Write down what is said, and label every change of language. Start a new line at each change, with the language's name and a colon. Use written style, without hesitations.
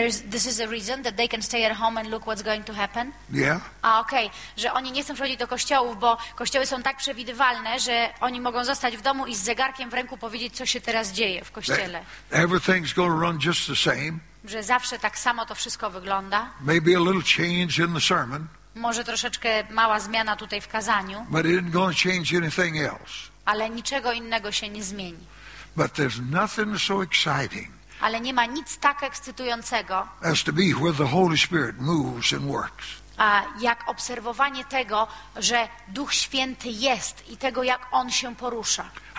English: This is a reason that they can stay at home and look what's going to happen. Yeah.
Polish: Okay, że oni nie chcą przychodzić do kościołów, bo kościoły są tak przewidywalne, że oni mogą zostać w domu i z zegarkiem w ręku powiedzieć, co się teraz dzieje w kościele.
English: Everything's going to run just the same.
Polish: Że zawsze tak samo to wszystko wygląda.
English: Maybe a little change in the sermon.
Polish: Może troszeczkę mała zmiana tutaj w kazaniu.
English: But it isn't going to change anything else.
Polish: Ale niczego innego się nie zmieni.
English: But there's nothing so exciting.
Polish: Ale nie ma nic tak ekscytującego.
English: As to be where the Holy Spirit moves and works.
Polish: jak obserwowanie tego, że Duch Święty jest i tego, jak On się porusza.